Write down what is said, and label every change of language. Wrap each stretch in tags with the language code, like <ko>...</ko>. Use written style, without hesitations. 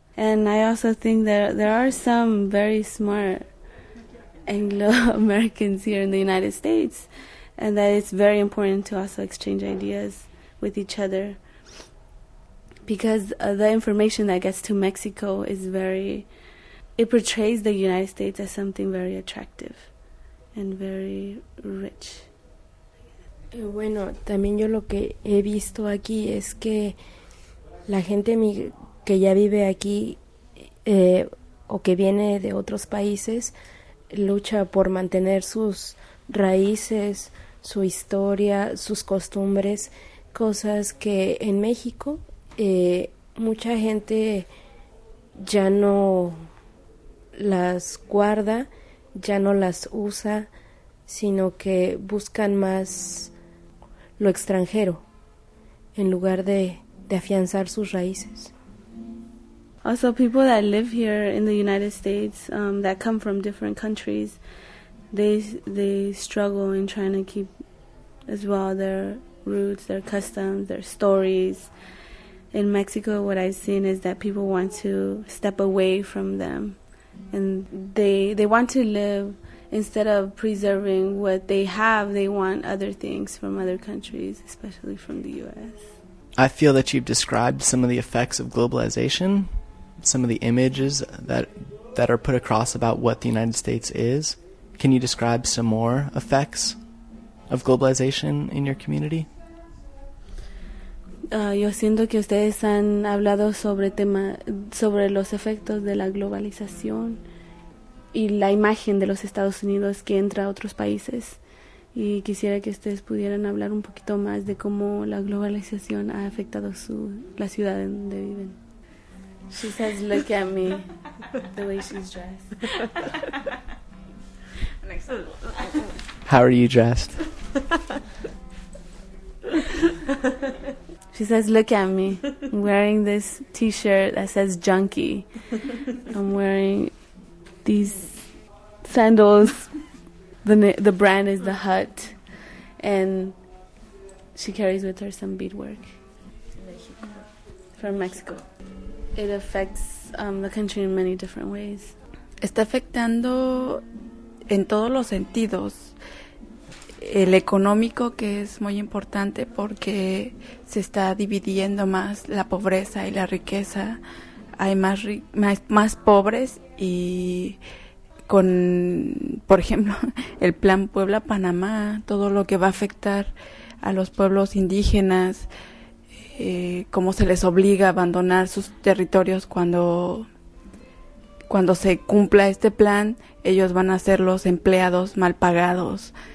<en>And I also think that there are some very smart Anglo-Americans here in the United States, and that it's very important to also exchange ideas with each other, because the information that gets to Mexico is very, it portrays the United States as something very attractive and very rich.</en> <es>Bueno, también yo lo que he visto aquí es que la gente que ya vive aquí o que viene de otros países lucha por mantener sus raíces, su historia, sus costumbres, cosas que en México mucha gente ya no las guarda, ya no las usa, sino que buscan más lo extranjero en lugar de afianzar sus raíces.</es> <en>Also, people that live here in the United States that come from different countries, they struggle in trying to keep as well their roots, their customs, their stories. In Mexico, what I've seen is that people want to step away from them, and they want to live, instead of preserving what they have, they want other things from other countries, especially from the U.S. I feel that you've described some of the effects of globalization, some of the images that are put across about what the United States is. Can you describe some more effects of globalization in your community?</en> <es>Yo siento que ustedes han hablado sobre los efectos de la globalización y la imagen de los Estados Unidos que entra a otros países. Y quisiera que ustedes pudieran hablar un poquito más de cómo la globalización ha afectado la ciudad donde viven.</es> <en>She says, look at me, the way she's dressed. How are you dressed? She says, look at me. I'm wearing this t-shirt that says junkie. I'm wearing these sandals. The brand is The Hut. And she carries with her some beadwork. From Mexico. It affects the country in many different ways.</en> <es>Está afectando en todos los sentidos. El económico, que es muy importante porque se está dividiendo más la pobreza y la riqueza. Hay más pobres y con, por ejemplo, el plan Puebla-Panamá, todo lo que va a afectar a los pueblos indígenas, cómo se les obliga a abandonar sus territorios cuando se cumpla este plan, ellos van a ser los empleados mal pagados.</es>